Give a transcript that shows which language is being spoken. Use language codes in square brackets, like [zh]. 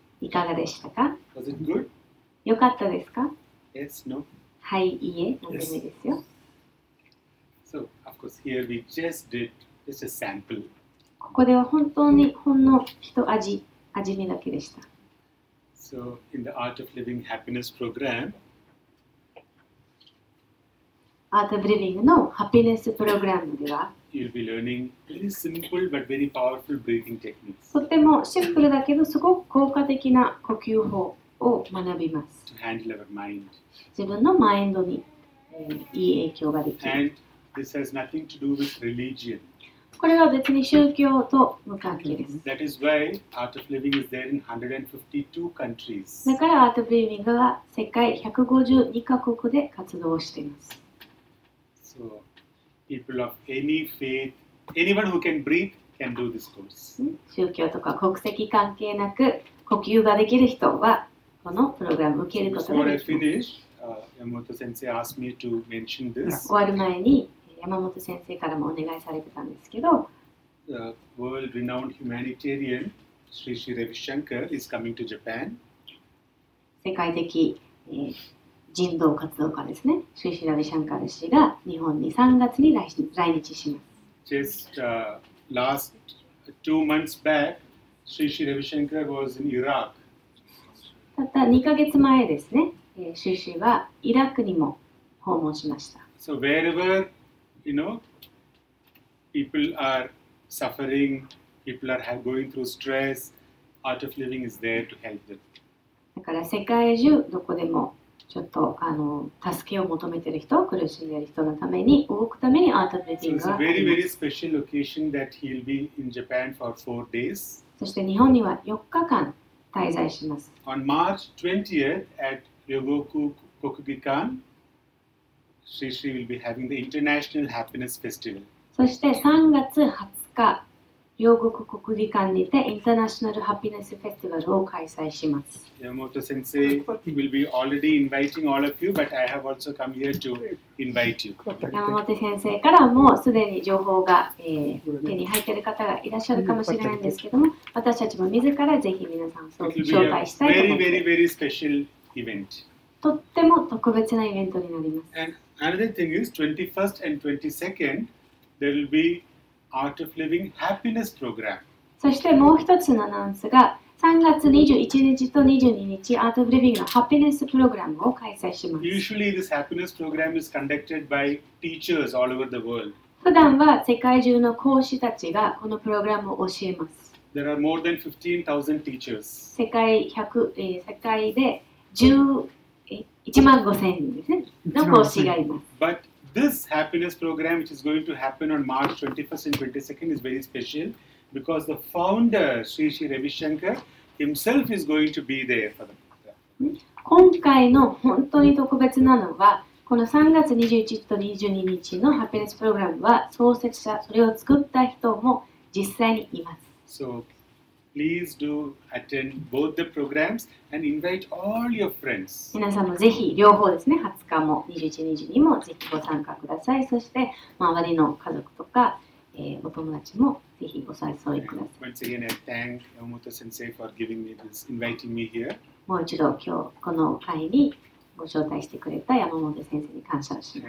[ja] いかがでしたか? [en] Was it good? [ja] よかったですか? [en] Yes, no. [ja] はい、いいえ、ダメですよ。 [en] So, of course, here we just did just a sample. [ja] ここでは本当にほんの一味、味見だけでした。 [en] So, in the Art of Living Happiness Program, [ja] Art of Living のハッピネスプログラムでは、 [en] You'll be learning very simple but very powerful breathing techniques. [ja] とてもシンプルだけどすごく効果的な呼吸法を学びます。 [en] To handle our mind. [ja] 自分のマインドに、いい影響ができる。 [en] And this has nothing to do with religion. [ja] これは別に宗教と無関係です。 [en] That is why Art of Living is there in 152 countries. [ja] だから Art of Living は世界152カ国で活動しています。 [en] So,People of any faith, anyone who can breathe can do this course. [ja] 宗教とか国籍関係なく呼吸ができる人はこのプログラムを受けることができます。 [en] Yamamoto sensei asked me to mention this. [ja] 終わる前に山本先生からもお願いされてたんですけど、 [en] The world-renowned humanitarian Sri Sri Ravi Shankar is coming to Japan. [ja] 世界的、人道活動家ですね。シュシラビシャンカル氏が日本に3月に来日します。 [en] Just last two months back, シュシラビシャンカル was in Iraq. [ja] たった2ヶ月前ですね。シュシはイラクにも訪問しました。 [en] So wherever you know people are suffering, people are going through stress, Art of Living is there to help them. [ja] だから世界中どこでもちょっと助けを求めている人、苦しんでいる人のために、動くためにアートブレディングが。 [en] So it's a very, very special location that he'll be in Japan for four days. [ja] そして日本には4日間滞在します。 [en] On March 20th at Ryogoku Kokugikan, Sri Sri will be having the International Happiness Festival. [ja] そして3月20日、Ryogoku Kokugikan にて International Happiness Festival を開催します。 [en] Yamamoto sensei will be already inviting all of you, but I have also come here to invite you. [ja] Yamamoto sensei からもすでに情報が、手に入っている方がいらっしゃるかもしれないんですけども、私たちも自らぜひ皆さんを紹介したいと思います。 [en] It will be a very, very, very special event. [ja] とっても特別なイベントになります。 [en] And another thing is, 21st and 22nd, there will be Art of Living Happiness Program. [ja] そしてもう一つのアナウンスが、3月21日と22日、アートブリビングのハッピネスプログラムを開催します。 [en] Usually this happiness program is conducted by teachers all over the world. [ja] 普段は世界中の講師たちがこのプログラムを教えます。 [en] There are more than 15,000 teachers. [ja] 世界で15,000 人ですね、の講師がいます。 [en] But this happiness program which is going to happen on March 21st and 22nd is very special. Because the founder, Sri Sri Ravi Shankar, himself is going to be there for the program. [ja] 今回の本当に特別なのは、この3月21日と22日のハッピネスプログラムは、創設者、それを作った人も実際にいます。 [en] So, please do attend both the programs and invite all your friends. [ja] 皆さんもぜひ、両方ですね、20日も21日にもぜひご参加ください。そして、周りの家族とか、お友達も。 [en] Once again, I thank Yamamoto sensei for giving me this, inviting me here. [ja] もう一度今日この会にご招待してくれた山本先生に感謝します。